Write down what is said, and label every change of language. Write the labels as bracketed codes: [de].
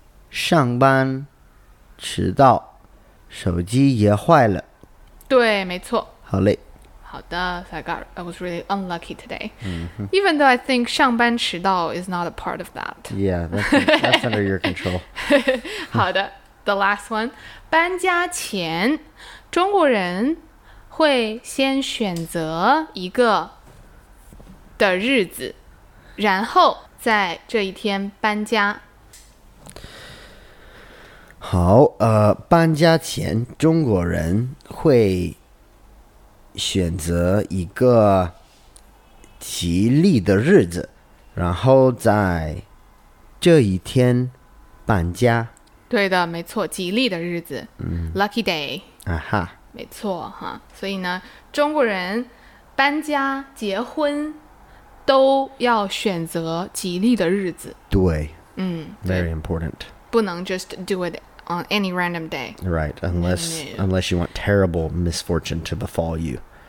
[zh] 上班迟到， 手机也坏了。对，没错。好的， [en] I was really unlucky today. Even though I think [zh] 上班迟到 [en] is not a part of that. Yeah, that's under your control. [zh] 好的, [en] the last one. [zh] 搬家前, 中国人会先选择一个的日子, 然后在这一天搬家。好, 搬家前, 中国人会 选择一个吉利的日子， 然后在这一天搬家。对的，没错， 吉利的日子， [en] Lucky day，啊哈， [zh] 没错， 所以呢， 中国人搬家， 结婚， 都要选择吉利的日子。对， [en] very important， [zh] 不能 [en] just do it on any random day， right， unless you want terrible misfortune to befall you.